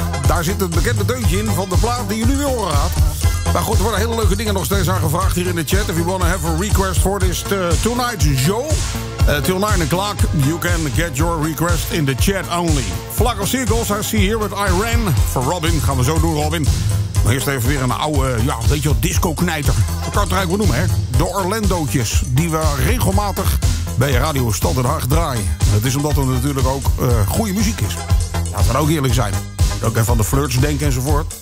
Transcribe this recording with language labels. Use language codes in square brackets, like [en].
[nl] Daar zit het bekende deuntje in van de plaat die je nu weer horen gaat. Maar goed, er worden hele leuke dingen nog steeds aan gevraagd hier in de chat. [en] If you want to have a request for this tonight's show, till 9 o'clock, you can get your request in the chat only. Flag of Seagulls, I see here with Iran. [nl] For Robin, gaan we zo doen, Robin. Maar eerst even weer een oude, ja, weet je wat, disco-knijter. Dat kan het eigenlijk wel noemen, hè? De Orlando'tjes, die we regelmatig bij je radio Stad en Hart draaien. Het is omdat er natuurlijk ook goede muziek is. Laten we ook eerlijk zijn. Ook even aan de Flirts denken enzovoort.